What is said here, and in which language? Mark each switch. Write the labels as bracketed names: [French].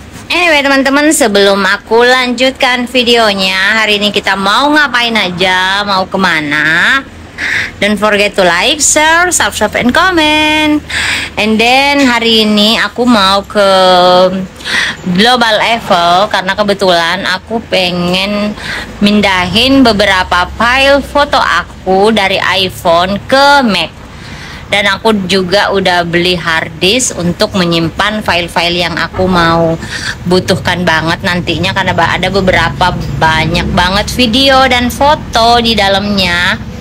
[Indonesian] Anyway teman-teman, sebelum aku lanjutkan videonya, hari ini kita mau ngapain aja, mau kemana? [English] Don't forget to like, share, subscribe, and comment. [Indonesian] And then hari ini aku mau ke Global Eiffel karena kebetulan aku pengen mindahin beberapa file foto aku dari iPhone ke Mac. Dan aku juga udah beli hard disk untuk menyimpan file-file yang aku mau butuhkan banget nantinya, karena ada beberapa banyak banget video dan foto di dalamnya.